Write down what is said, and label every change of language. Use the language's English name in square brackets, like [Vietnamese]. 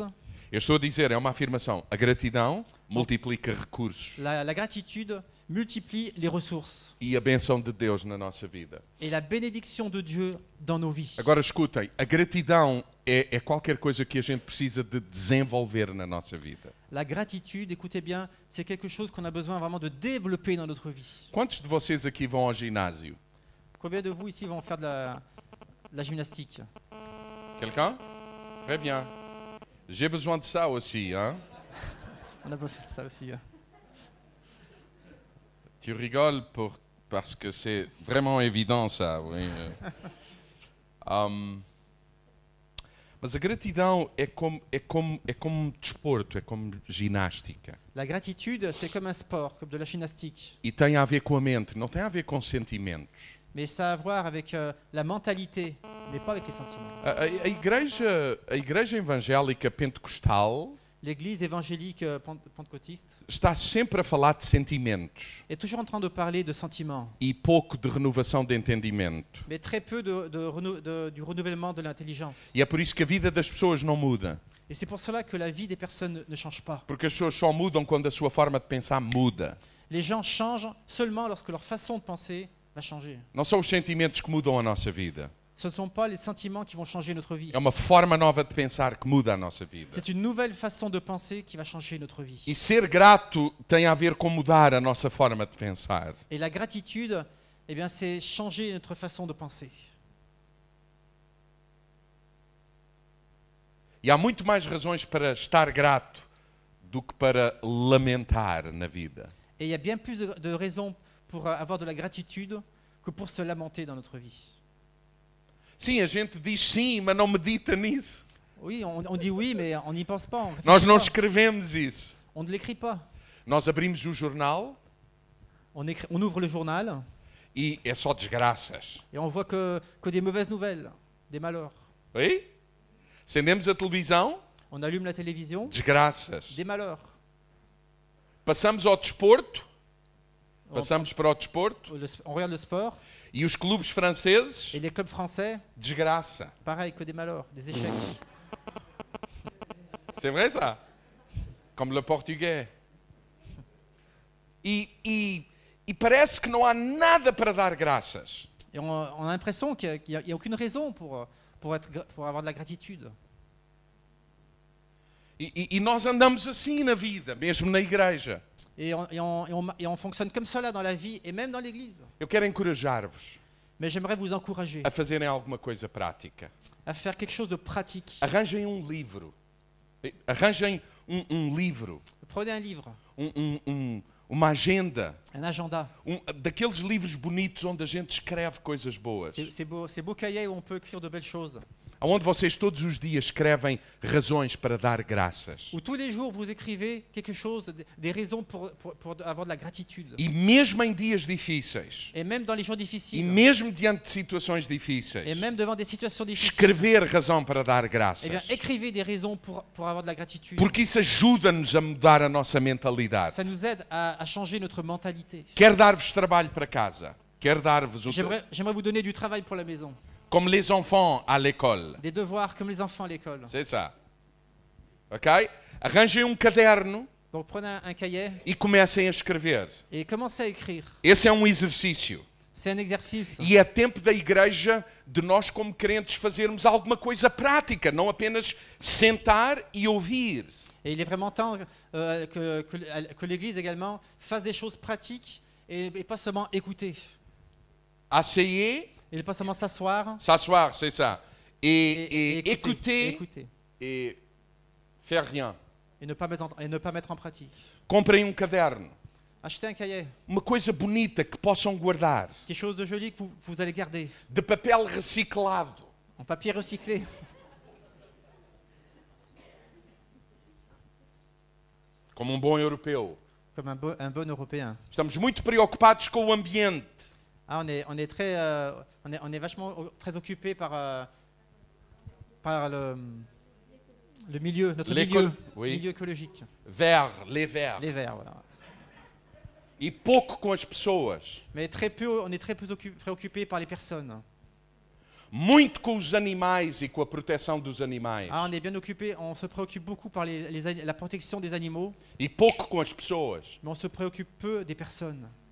[Portuguese] Eu estou a dizer, é uma afirmação. A gratidão multiplica recursos. [French] La gratitude multiplie les ressources. [Portuguese] E a bênção de Deus na nossa vida. [French] Et la bénédiction de Dieu dans nos vies. [Portuguese] Agora escutem, a gratidão é qualquer coisa que a gente precisa de desenvolver na nossa vida. [French] La gratitude, écoutez bien, c'est quelque chose qu'on a besoin vraiment de développer dans notre vie. [Portuguese] Quantos de vocês aqui vão ao ginásio? [French] Combien de vous ici vont faire de la gymnastique? Quelqu'un? Très bien. J'ai besoin de ça aussi, hein? On a besoin de ça aussi, hein? Tu rigoles parce que c'est vraiment évident, ça, oui. Mais la gratitude est comme desporto, est comme gymnastique. La gratitude, c'est comme un sport, comme de la gymnastique. [Portuguese] Et tem a ver com a mente, não tem a ver com sentimentos. [French] Mais ça a voir avec la mentalité, mais pas avec les sentiments. [Portuguese] A igreja evangélica pentecostal, [French] l'église évangélique pentecôtiste, [Portuguese] está sempre a falar de sentimentos. [French] Est toujours en train de parler de sentiments. [Portuguese] E pouco de renovação de entendimento. [French] Mais très peu du renouvellement de l'intelligence. [Portuguese] E é por isso que a vida das pessoas não muda. [French] Et c'est pour cela que la vie des personnes ne change pas. [Portuguese] Porque as pessoas só mudam quando a sua forma de pensar muda. [French] Les gens changent seulement lorsque leur façon de penser va changer. [Portuguese] Não são os sentimentos que mudam a nossa vida. [French] Ce ne sont pas les sentiments qui vont changer notre vie. [Portuguese] É uma forma nova de pensar que muda a nossa vida. [French] C'est une nouvelle façon de penser qui va changer notre vie. [Portuguese] E ser grato tem a ver com mudar a nossa forma de pensar. [French] Et la gratitude, eh bien, c'est changer notre façon de penser. [Portuguese] E há muito mais razões para estar grato do que para lamentar na vida. [French] Et il y a bien plus de raisons pour avoir de la gratitude que pour se lamenter dans notre vie. [Portuguese] Sim, a gente diz sim, mas não medita nisso. [French] Oui, on dit oui, mais on n'y pense pas. [Portuguese] Nós não escrevemos isso. [French] On ne l'écrit pas. [Portuguese] Nós abrimos o jornal. [French] On ouvre le journal. [Portuguese] E é só desgraças. [French] Et on voit que des mauvaises nouvelles, des malheurs. [Portuguese] Oui? Acendemos a televisão. [French] On allume la télévision. [Portuguese] Desgraças. [French] Des malheurs. [Portuguese] Passamos ao desporto. Passamos para o desporto. [French] On regarde le sport. [Portuguese] E os clubes franceses? [French] Et les clubs français? [Portuguese] Desgraça. [French] Pareil que des malheurs, des échecs. C'est vrai ça? Comme le portugais. [Portuguese] E parece que não há nada para dar graças. [French] Et on a l'impression qu'il y a aucune raison pour avoir de la gratitude. [Portuguese] E nós andamos assim na vida, mesmo na igreja. [French] Et on fonctionne comme cela dans la vie et même dans l'église. [Portuguese] Eu quero encorajar-vos. [French] Mais j'aimerais vous encourager. [Portuguese] A fazerem alguma coisa prática. [French] À faire quelque chose de pratique. [Portuguese] Arranjem um livro. Arranjem um livro. [French] Prenez un livre. [Portuguese] Uma agenda. [French] Un agenda. [Portuguese] Daqueles livros bonitos onde a gente escreve coisas boas. [French] C'est beau cahier où on peut écrire de belles choses. [Portuguese] Onde vocês todos os dias escrevem razões para dar graças. [French] Ou tous les jours vous écrivez quelque chose, des raisons pour avoir de la gratitude. [Portuguese] E mesmo em dias difíceis. [French] Et même dans les jours difficiles. [Portuguese] E mesmo diante de situações difíceis. [French] Et même devant des situations difficiles. [Portuguese] Escrever razão para dar graças. [French] Et bien, écrivez des raisons pour avoir de la gratitude. [Portuguese] Porque isso ajuda-nos a mudar a nossa mentalidade. [French] Ça nous aide à changer notre mentalité. [Portuguese] Quero dar-vos trabalho para casa. Quero dar-vos o [French] J'aimerais vous donner du travail pour la maison. Comme les enfants à l'école. Des devoirs comme les enfants à l'école. C'est ça. OK? Arrangez un caderno. Donc prenez un cahier. E comecem a escrever. Et commencez à écrire. Esse é um exercício. C'est un exercice. E é tempo da igreja de nós como crentes fazermos alguma coisa prática, não apenas sentar e ouvir. Et il est vraiment temps que l'Église également fasse des choses pratiques et pas seulement écouter. Asseyez. Et pas seulement s'asseoir. S'asseoir, c'est ça. Et écouter. Et faire rien. Et ne pas mettre en pratique. Comprez un caderno. Achetez un cahier. [Portuguese] Uma coisa bonita que possam guardar. [French] Quelque chose de joli que vous allez garder. [Portuguese] De papel reciclado. [French] En papier recyclé. [Portuguese] Como um bom europeu. Como um bom europeu. Estamos muito preocupados com o ambiente. [French] Ah, on est vachement très occupé par le milieu, notre milieu, oui. Milieu écologique. Vert, les verts. Les verts, voilà. [Portuguese] E pouco com as pessoas. [French] Mais très peu, on est très peu préoccupé par les personnes. [Portuguese] Muito com os animais e com a proteção dos animais. [French] Ah, on est bien occupé, on se préoccupe beaucoup par la protection des animaux. [Portuguese] E pouco com as pessoas. [French] Mais on se préoccupe peu des personnes.